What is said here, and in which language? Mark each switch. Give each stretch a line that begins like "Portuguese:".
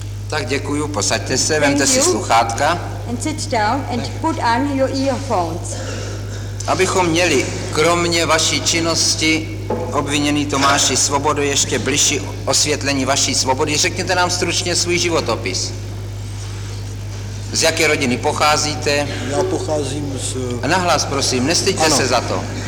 Czech: Tak děkuju, posaďte se, vemte si sluchátka.
English: And sit down and put on your earphones.
Czech: Abychom měli kromě vaší činnosti obviněný Tomáši Svobodu ještě bližší osvětlení vaší svobody. Řekněte nám stručně svůj životopis. Z jaké rodiny pocházíte? Já pocházím z... A nahlas prosím, nestyďte se za to.